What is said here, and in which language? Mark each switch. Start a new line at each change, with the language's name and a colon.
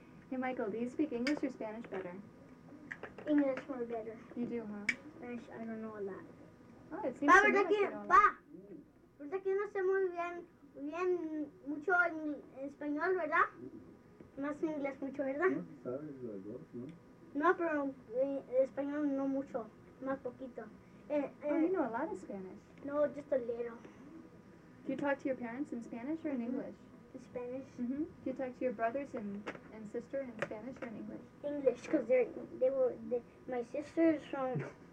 English: Hey Michael, do you speak English or Spanish better? English more better. You do, huh? Spanish, I don't know a lot. Oh, it seems to be.
Spanish: Pa, verdad que no sé muy bien. Bien, mucho en español, ¿verdad? Más en inglés mucho, ¿verdad? No, sabes los dos, ¿no? No, pero en español no mucho, más poquito.
English: Oh, you know a lot of Spanish. No, just a little. Do you talk to your parents in Spanish or in English? In Spanish. Mm-hmm. Do you talk to your brothers and sister in Spanish or in English? English, because they were my sister's from...